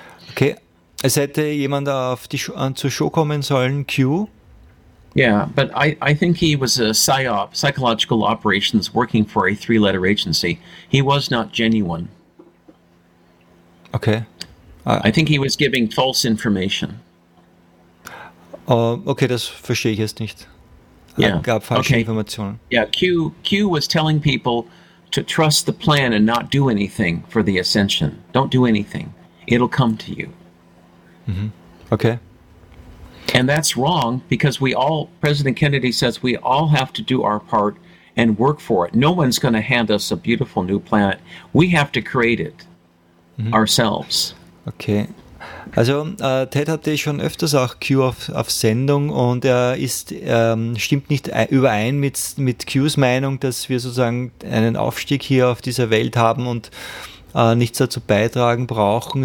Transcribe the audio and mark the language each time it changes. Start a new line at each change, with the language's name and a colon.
English: Okay.
German: Es hätte jemand zur Show kommen sollen, Q.
English: Yeah, but I think he was a psyop, psychological operations, working for a three-letter agency. He was not genuine. Okay. I think he was giving false information.
German: Okay, das verstehe ich jetzt nicht.
English: Yeah.
German: Gab falsche Informationen.
English: Yeah, Q was telling people to trust the plan and not do anything for the ascension. Don't do anything. It'll come to you. Mm-hmm. Okay. And that's wrong because President Kennedy says we all have to do our part and work for it. No one's going to hand us a beautiful new planet. We have to create it. Ourselves. Okay.
German: Also Ted hatte schon öfters auch Q auf Sendung und er ist stimmt nicht überein mit Qs Meinung, dass wir sozusagen einen Aufstieg hier auf dieser Welt haben und nichts dazu beitragen brauchen.